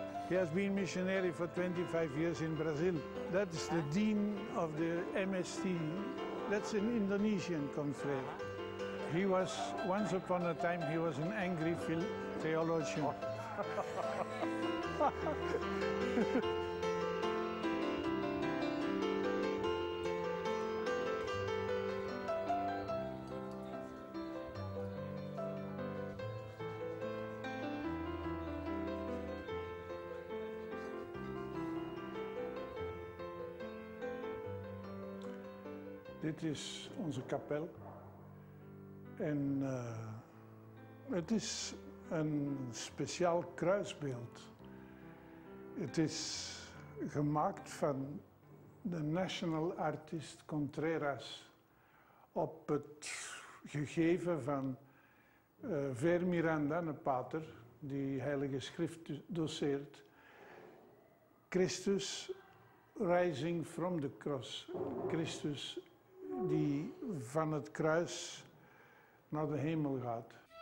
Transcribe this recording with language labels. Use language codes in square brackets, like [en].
[nl] Hij [en] has been missionary for 25 years in Brazil. [nl] Dat is de [en] dean of the MST. [nl] Dat is een Indonesian confrère. [en] He was once upon a time he was an angry theologian. [nl] Dit is onze kapel. En het is een speciaal kruisbeeld. Het is gemaakt van de [en] national artist [nl] Contreras op het gegeven van Ver Miranda, een pater die Heilige Schrift doseert. [en] Christus rising from the cross. [nl] Christus die van het kruis naar de hemel gaat.